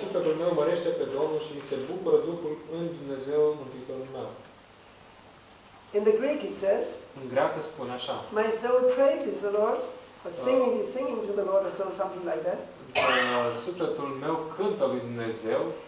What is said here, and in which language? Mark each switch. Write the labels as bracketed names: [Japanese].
[Romanian] Sufletul meu mărește pe Domnul și se bucură Duhul în Dumnezeu, Mântuitorul meu. [English] In the Greek it says, [Romanian] în greacă spune așa. [English] My soul praises the Lord, singing to the Lord, or something like that. [Romanian] Sufletul meu cântă lui Dumnezeu.